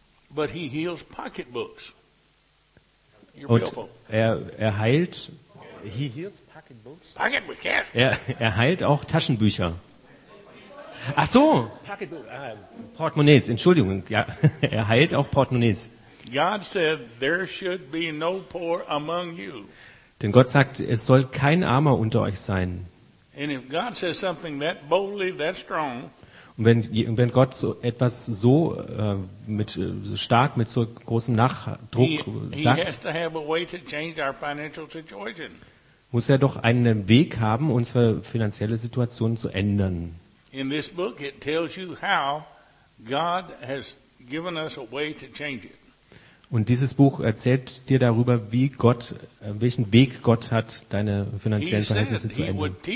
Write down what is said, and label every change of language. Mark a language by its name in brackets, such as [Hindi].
[English] But he heals pocketbooks. [German] Und er heilt [English] he heals pocketbooks. Pocketbooks, yes. [German] Er heilt auch Taschenbücher. Ach so, Portemonnaies, Entschuldigung, ja, er heilt auch Portemonnaies. [English] God said there should be no poor among you. [German] Denn Gott sagt, es soll kein Armer unter euch sein. [English] And if God says something that boldly, that strong, [German] und wenn Gott so etwas so mit so stark, mit so großem Nachdruck sagt, [English] he has to have a way to change our financial situation. [German] Muss er doch einen Weg haben, unsere finanzielle Situation zu ändern. [English] In this book it tells you how God has given us a way to change it. [German] Und dieses Buch erzählt dir darüber, welchen Weg Gott hat, deine finanziellen Verhältnisse zu ändern.